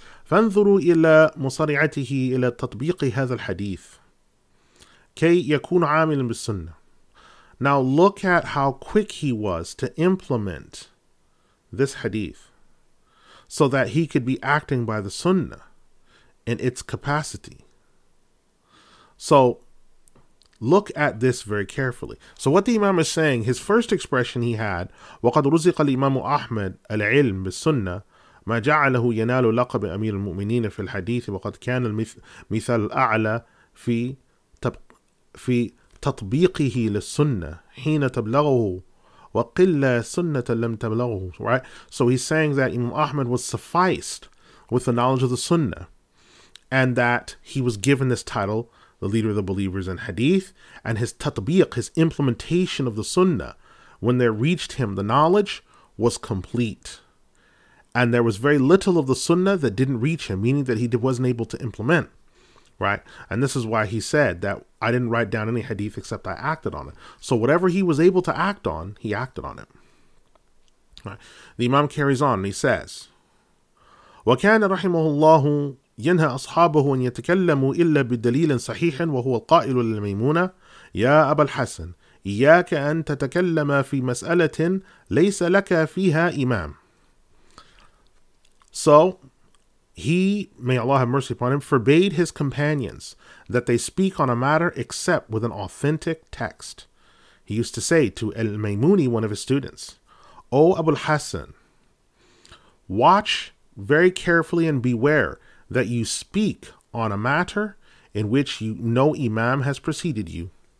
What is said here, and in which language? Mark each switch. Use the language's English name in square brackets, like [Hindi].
[Arabic] فانظروا إلى مصارعته إلى تطبيق هذا الحديث. كي يكون عاملا بالسنة. [English] Now look at how quick he was to implement this hadith so that he could be acting by the sunnah in its capacity. So look at this very carefully. So what the Imam is saying, his first expression he had, [Arabic] وَقَدْ رُزِقَ الْإِمَامُ أَحْمَدُ الْعِلْمُ بِالسُنَّةِ مَا جَعَلَهُ يَنَالُ لَقَبِ أَمِيرِ الْمُؤْمِنِينَ فِي الْحَدِيثِ وَقَدْ كَانَ الْمِثَالُ الْأَعْلَى فِي في تطبيقه للسنة حين تبلغه وقل سنة لم تبلغه. [English] Right? So he's saying that Imam Ahmad was sufficed with the knowledge of the Sunnah, and that he was given this title, the leader of the believers in Hadith, and his tatbiq, his implementation of the Sunnah, when there reached him the knowledge, was complete. And there was very little of the Sunnah that didn't reach him, meaning that he wasn't able to implement. Right, and this is why he said that I didn't write down any hadith except I acted on it. So whatever he was able to act on, he acted on it. Right. The Imam carries on and he says, [Arabic] وَكَانَ رَحِمَهُ اللَّهُ يَنْهَى أَصْحَابَهُ أَنْ يَتَكَلَّمُوا إِلَّا بِدَلِيلٍ صَحِيحٍ وَهُوَ الْقَائِلُ لِلْمَيْمُونَةِ يَا أَبَا الْحَسَنِ إِيَّاكَ أَنْ تَتَكَلَّمَ فِي مَسْأَلَةٍ لَيْسَ لَكَ فِيهَا إِمَامٌ. [English] So he, may Allah have mercy upon him, forbade his companions that they speak on a matter except with an authentic text. He used to say to Al-Maymuni, one of his students, O Abu al-Hasan, watch very carefully and beware that you speak on a matter in which you no imam has preceded you.